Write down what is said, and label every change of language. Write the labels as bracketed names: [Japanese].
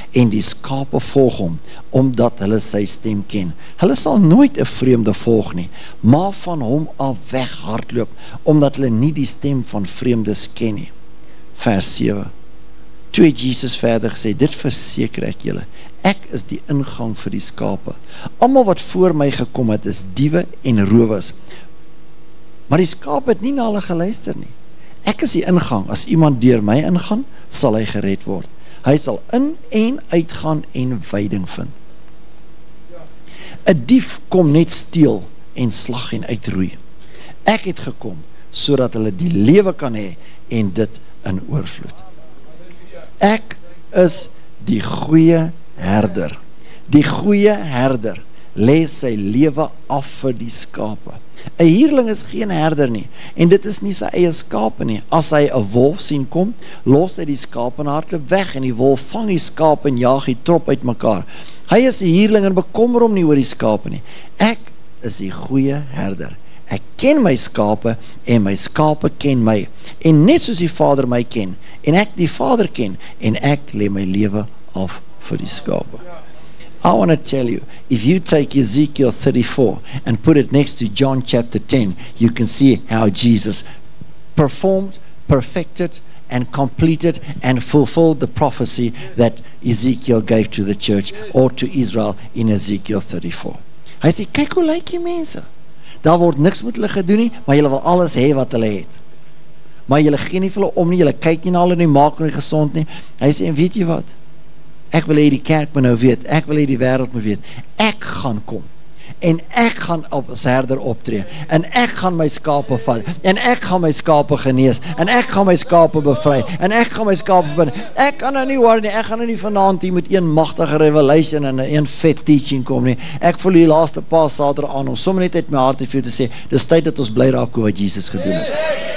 [Afrikaans] En die skape volg hom, omdat hulle sy stem ken. Hulle sal nooit 'n vreemde volg nie, maar van hom af weg hardloop, omdat hulle nie die stem van vreemdes ken nie. Vers 7. Toe het Jesus verder gesê, dit verseker ek julle, ek is die ingang vir die skape. Almal wat voor my gekom het, is diewe en rowers. Maar die skape het nie na hulle geluister nie. Ek is die ingang, as iemand deur my ingaan, sal hy gered word. Hy sal in en uitgaan en weiding vind. 'N dief kom net steel en slag en uitroei. Ek het gekom, sodat hulle die lewe kan hê en dit in oorvloed. Ek is die goeie herder. Die goeie herder lê sy lewe af vir die skape. 'N huurling is geen herder nie, en dit is nie sy eie skape nie. As hy 'n wolf sien kom, los hy die skape en hardloop weg, en die wolf vang die skape en jaag die trop uit mekaar. Hy is 'n huurling en bekommer hom nie oor die skape nie. Ek is die goeie herder. Ek ken my skape en my skape ken my, en net soos die Vader my ken en ek die Vader ken, en ek lê my lewe af vir die skape. [English] I want to tell you, if you take Ezekiel 34 and put it next to John chapter 10, you can see how Jesus performed, perfected, and completed and fulfilled the prophecy that Ezekiel gave to the church or to Israel in Ezekiel 34. [Afrikaans] Hy sê, kyk hoe lyk die mense. Daar word niks met hulle gedoen nie, maar hulle wil alles hê wat hulle het. Maar hulle gee nie vir hulle om nie, hulle kyk nie na hulle nie, maak hulle gesond nie. Hy sê, en weet jy wat? Ek wil hê die kerk moet nou weet, ek wil hê die wêreld moet weet, ek gaan kom, en ek gaan op as herder optree, en ek gaan my skape vat, en ek gaan my skape genees, en ek gaan my skape bevry, en ek gaan my skape bin, ek gaan nou nie worry nie, ek gaan nou nie vanavond hier met een machtige revelation en een vet teaching kom nie, ek voel die laaste paar sater aan, om sommer net uit my hart te veel te sê, dis tyd dat ons bly raak oor wat Jesus gedoen het.